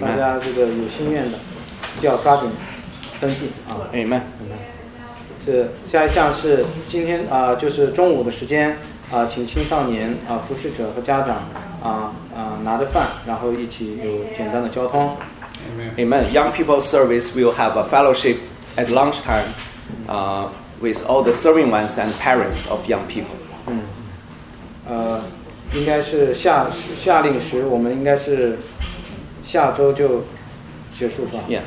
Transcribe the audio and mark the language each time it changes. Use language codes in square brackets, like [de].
[zh] 大家这个有心愿的就要抓紧登记啊。 [en] Amen. [zh] 是下一项是今天就是中午的时间请青少年服侍者和家长拿着饭，然后一起有简单的交通。 [en] Amen. Young people service will have a fellowship at lunchtime. With all the serving ones and parents of young people. [zh] 应该是夏令时，我们应该是下周就结束吧。